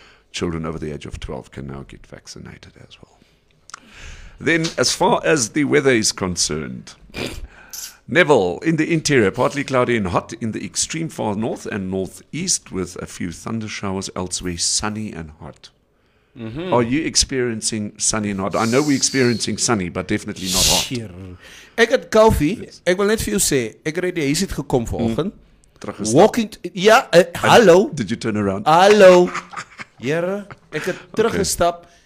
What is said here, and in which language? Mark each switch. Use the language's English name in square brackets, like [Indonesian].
[English] Children over the age of 12 can now get vaccinated as well. Then, as far as the weather is concerned, Neville, in the interior, partly cloudy and hot in the extreme far north and northeast with a few thundershowers, elsewhere sunny and hot. Mm-hmm. Are you experiencing sunny and hot? I know we're experiencing sunny, but definitely not hot. [Afrikaans] Ek het Kofi, ek wil net vir jou sê, ek het hier sit gekom vanoggend. [English] Walking, hallo. Did you turn around? [Afrikaans] Hallo. Here, ek het teruggestap.